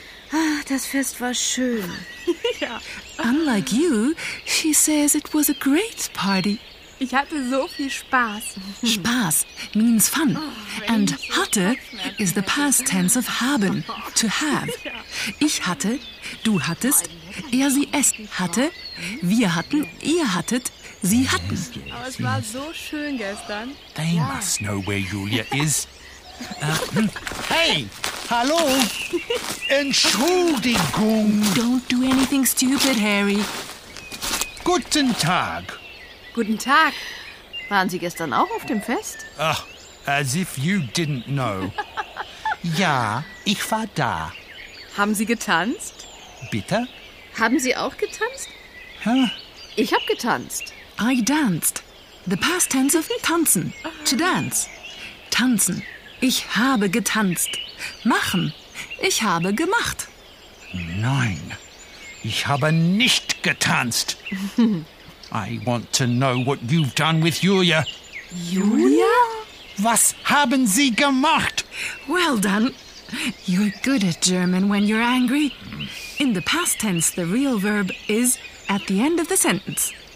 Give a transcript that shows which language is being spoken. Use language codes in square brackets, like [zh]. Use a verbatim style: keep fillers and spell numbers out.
[de] Ah, das Fest war schön. Ja. [en] Unlike you, she says it was a great party. [de] Ich hatte so viel Spaß. [en] Spaß means fun. Oh, and hatte is the past tense of haben, to have. [de] Ja. Ich hatte, du hattest, er, sie, es hatte, wir hatten, ihr hattet, sie hatten. Aber es war so schön gestern. [en] They ja. must know where Julia is. uh, hey, hallo. [de] Entschuldigung. [en] Don't do anything stupid, Harry. [de] Guten Tag. Guten Tag. Waren Sie gestern auch auf dem Fest? Ach, [en] as if you didn't know. [de] Ja, ich war da. Haben Sie getanzt? Bitte? Haben Sie auch getanzt? Huh? Ich habe getanzt. [en] I danced. The past tense of tanzen. To dance. [de] Tanzen. Ich habe getanzt. Machen. Ich habe gemacht. Nein, ich habe nicht getanzt. [en] I want to know what you've done with Julia. Julia? [de] Was haben Sie gemacht? [en] Well done. You're good at German when you're angry. In the past tense, the real verb is at the end of the sentence.